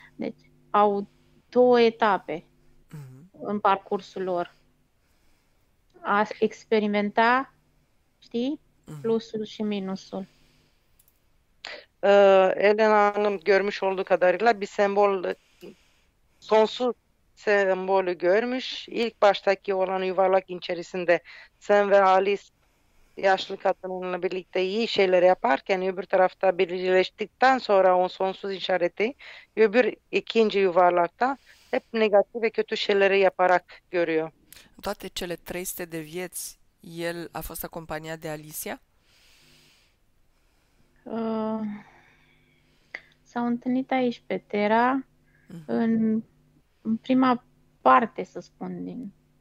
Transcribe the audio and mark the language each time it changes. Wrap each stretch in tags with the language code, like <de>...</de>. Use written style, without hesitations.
<ro>Deci, au două etape în parcursul lor. A experimenta, știi, plusul și minusul.</ro> <tr>Elena Hanım görmüş olduğu kadarıyla bir sembol, sonsuz sembolü görmüş. İlk baştaki olan yuvarlak içerisinde sen ve Alice yaşlı kadınınla birlikte iyi şeyler yaparken öbür tarafta birleştikten sonra o sonsuz işareti öbür ikinci yuvarlakta hep negatif ve kötü şeyleri yaparak görüyor.</tr> <ro>Toate cele 300 de vieți, el a fost acompaniat de Alicia. S-au întâlnit aici pe Terra în prima parte, să spun din.</ro>